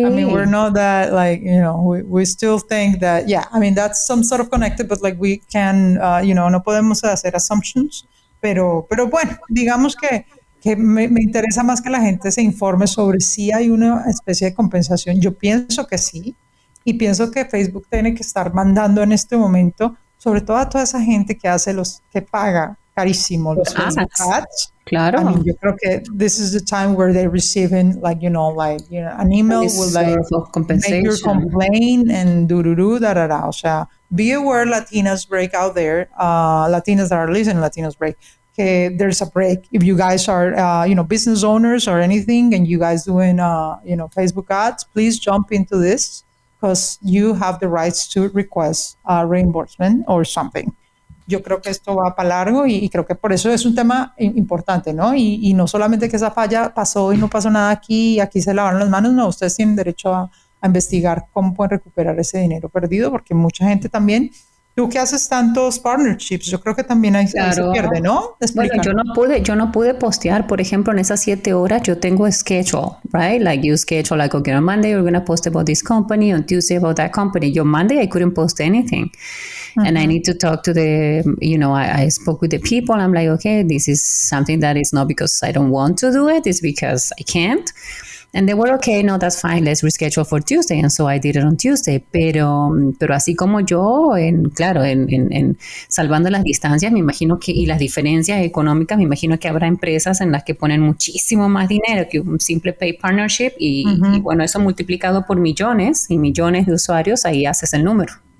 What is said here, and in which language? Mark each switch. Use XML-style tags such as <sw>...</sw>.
<en>I mean, we're not that, like, you know, we still think that, yeah, I mean, that's some sort of connected, but, like, we can, you know,</en> <es>no podemos hacer assumptions, pero bueno, digamos que me interesa más que la gente se informe sobre si hay una especie de compensación. Yo pienso que sí, y pienso que Facebook tiene que estar mandando en este momento, sobre todo a toda esa gente que hace que paga carísimo los ads. Claro.</es> <en>I mean,</en> <es>yo creo que</es> <en>this is the time where they're receiving, like, you know, like, you know, an email with, like, compensation. Make your complaint and da-da-da.</en> <es>O sea,</es> <en>be aware, Latinas break out there, Latinas that are listening, Latinas break, que there's a break. If you guys are, you know, business owners or anything, and you guys doing, you know, Facebook ads, please jump into this, because you have the rights to request reimbursement or something.</en> <es>Yo creo que esto va para largo, y creo que por eso es un tema importante, ¿no? Y no solamente que esa falla pasó y no pasó nada aquí se lavaron las manos, no, ustedes tienen derecho a investigar cómo pueden recuperar ese dinero perdido, porque mucha gente también, tú que haces tantos partnerships, yo creo que también ahí, claro, se pierde, ¿no? Explícanos. Bueno, yo no pude postear, por ejemplo, en esas 7 horas, yo tengo schedule, right?</es> <en>Like, you schedule, like, okay, on Monday you're going to post about this company, on Tuesday about that company. Yo Monday I couldn't post anything. And I need to talk to the, you know, I spoke with the people. I'm like, okay, this is something that is not because I don't want to do it. It's because I can't. And they were, okay, no, that's fine, let's reschedule for Tuesday. And so I did it on Tuesday.</en> <es>Pero así como yo, en, claro, en salvando las distancias, me imagino que, y las diferencias económicas, me imagino que habrá empresas en las que ponen muchísimo más dinero que un simple pay partnership. Y, mm-hmm. y bueno, eso multiplicado por millones y millones de usuarios, ahí haces el número.</es>